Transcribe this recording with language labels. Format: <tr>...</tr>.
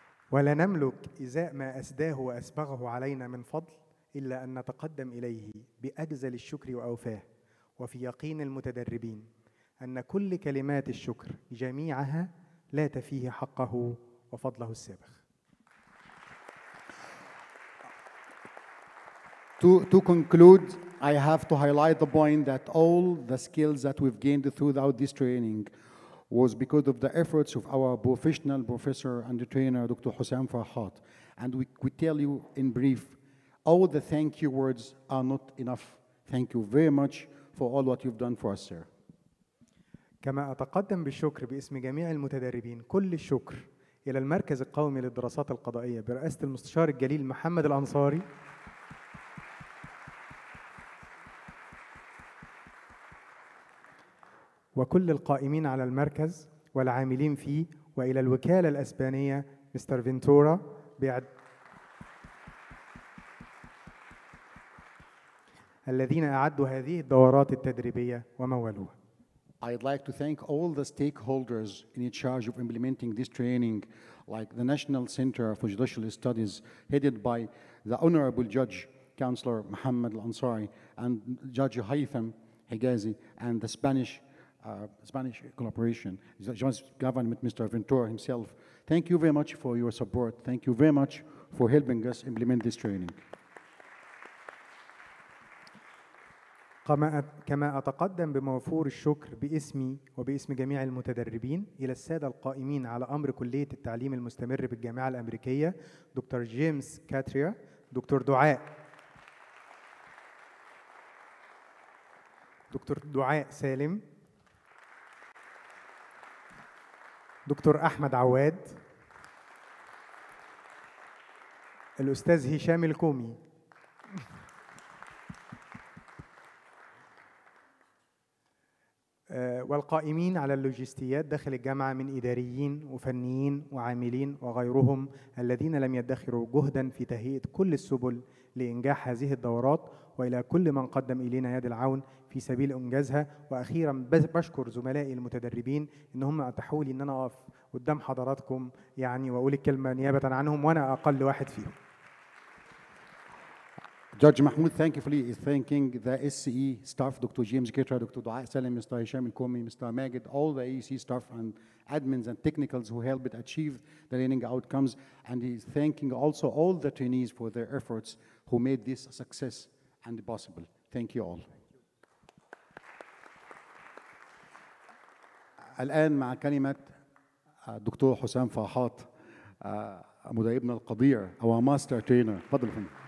<ar>ولا نملك إزاء ما أسداه وأسبغه علينا من فضل إلا أن نتقدم إليه بأجزل الشكر وأوفاه وفي يقين المتدربين أن كل كلمات الشكر جميعها لا تفيه حقه وفضله السابق.</ar> <en>To conclude, I have to highlight the point that all the skills that we've gained throughout this training was because of the efforts of our professional professor and the trainer, Dr. Hussein Farhat. And we tell you in brief, all the thank you words are not enough. Thank you very much for all what you've done for us, sir.</en> <ar>كما أتقدم بالشكر باسم جميع المتدربين كل الشكر إلى المركز القومي للدراسات القضائية برئاسة المستشار الجليل محمد الأنصاري وكل القائمين على المركز والعاملين فيه وإلى الوكالة الأسبانية مستر فينتورا الذين أعدوا هذه الدورات التدريبية ومولوها.</ar> <en>I'd like to thank all the stakeholders in charge of implementing this training, like the National Center for Judicial Studies, headed by the Honorable Judge Counselor Mohamed Elansary and Judge Haitham Higazi, and the Spanish collaboration, the government, Mr. Ventura himself. Thank you very much for your support. Thank you very much for helping us implement this training.</en> <ar>كما أتقدم بموفور الشكر باسمي وباسم جميع المتدربين إلى السادة القائمين على أمر كلية التعليم المستمر بالجامعة الأمريكية دكتور جيمس كاتريا دكتور دعاء دكتور دعاء سالم دكتور أحمد عواد الأستاذ هشام الكومي والقائمين على اللوجستيات داخل الجامعة من إداريين وفنيين وعاملين وغيرهم الذين لم يدخروا جهداً في تهيئة كل السبل لإنجاح هذه الدورات وإلى كل من قدم إلينا يد العون في سبيل إنجازها وأخيراً بشكر زملائي المتدربين إنهم أتحوا لي أن أنا أقف قدام حضراتكم يعني وأقول الكلمة نيابة عنهم وأنا أقل واحد فيهم.</ar> <en>Judge Mahmoud, thank you for thanking the SCE staff, Dr. James Ketterer, Dr. Dua Salim, Mr. Hisham Elkoumi, Mr. Magid, all the AEC staff and admins and technicals who helped achieve the learning outcomes. And he's thanking also all the trainees for their efforts who made this a success and possible. Thank you all.</en> <ar>الآن مع كلمة دكتور حسام فرحات مدربنا القدير,</ar> <en>our master trainer.</en> <ar>فضلكم.</ar>